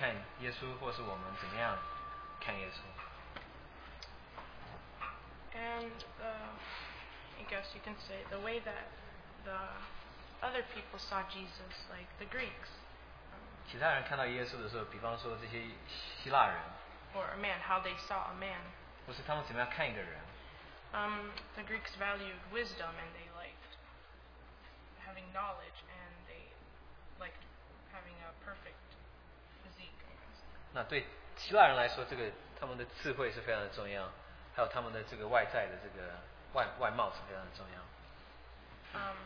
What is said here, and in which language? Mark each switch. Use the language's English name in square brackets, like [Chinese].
[Chinese] 那是否有一个区别，就是人们怎么样看耶稣，或是我们怎么样看耶稣？ [English] And I guess you can say the way that the other people saw Jesus, like the Greeks. [Chinese] 其他人看到耶稣的时候，比方说这些希腊人。 [English] Or a man, how they saw a man. [Chinese] 或是他们怎么样看一个人？ [English] The Greeks valued wisdom, and they liked having knowledge, and they liked having a perfect physique. [Chinese] 那对希腊人来说，这个他们的智慧是非常的重要，还有他们的这个外在的这个外貌是非常的重要。